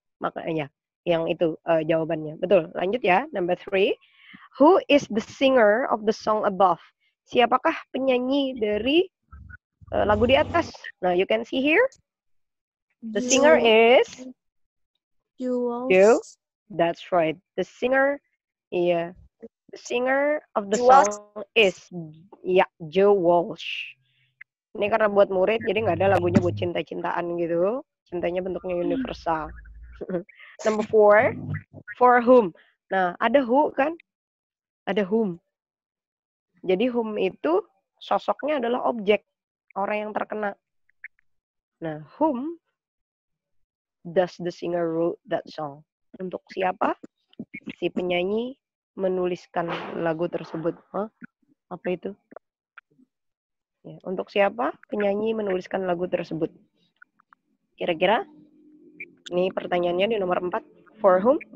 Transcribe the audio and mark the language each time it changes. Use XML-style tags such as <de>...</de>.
<id>Makanya yang itu jawabannya, betul. Lanjut ya,</id> <en>number three. Who is the singer of the song above?</en> <id>Siapakah penyanyi dari lagu di atas?</id> <en>Nah, you can see here. The singer is. You. That's right. The singer, yeah, the singer of the Jewel. Song is, yeah, Joe Walsh.</en> <id>Ini karena buat murid, jadi nggak ada lagunya buat cinta-cintaan gitu. Cintanya bentuknya universal.</id> <en>Number four, for whom?</en> <id>Nah, ada who kan? Ada whom. Jadi whom itu sosoknya adalah objek, orang yang terkena.</id> <en>Nah, whom does the singer wrote that song?</en> <id>Untuk siapa si penyanyi menuliskan lagu tersebut? Hah? Apa itu? Ya, untuk siapa penyanyi menuliskan lagu tersebut? Kira-kira? Ini pertanyaannya di nomor 4.</id> <en>For whom?</en>